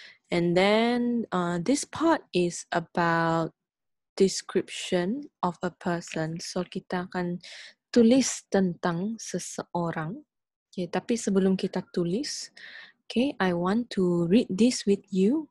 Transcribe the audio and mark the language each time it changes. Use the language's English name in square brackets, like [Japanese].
[English] And then this part is about description of a person. [Indonesian] So kita akan tulis tentang seseorang. [English] Okay, [Indonesian] tapi sebelum kita tulis, [English] okay, I want to read this with you.